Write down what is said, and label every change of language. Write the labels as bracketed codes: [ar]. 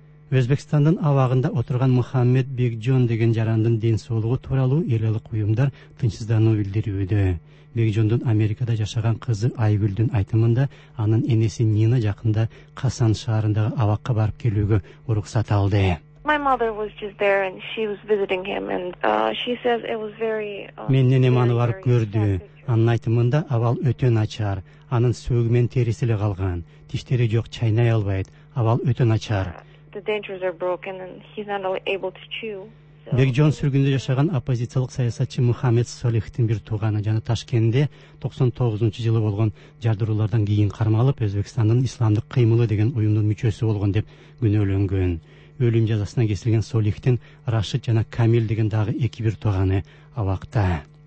[ky] Өзбекстандын абагында отурган Мухаммед Бекжон деген жарандын ден соолугу тууралуу эл алык уюмдар тынчсыздануу билдирүүдө. Бекжондун Америкада жашаган кызы Айгүлдүн айтымында анын энеси Нина жакында Касан шаарындагы абакка барып келүүгө уруксат алды. [en] My mother was just there and she was visiting him and she says it was very [ky] Менин энем аны барып көрдү. Анын айтымында абал өтө начар. Анын сөөгү менен териси эле калган. Тиштери жок, чайнай албайт. Абал өтө начар. [en] The dentures are broken and he's not able to chew. [ky] Бекжон сүргүндө жашаган оппозициялык саясатчы Мухаммед Солихтин бир тууганы жана Ташкентте 99 жылы болгон жардыруулардан кийин кармалып, Өзбекстандын исламдык кыймылы деген уюмдун мүчөсү болгон деп күнөөлөнгөн. Өлүм жазасына кесилген Солихтин Рашид жана Камил деген дагы эки бир тууганы абакта.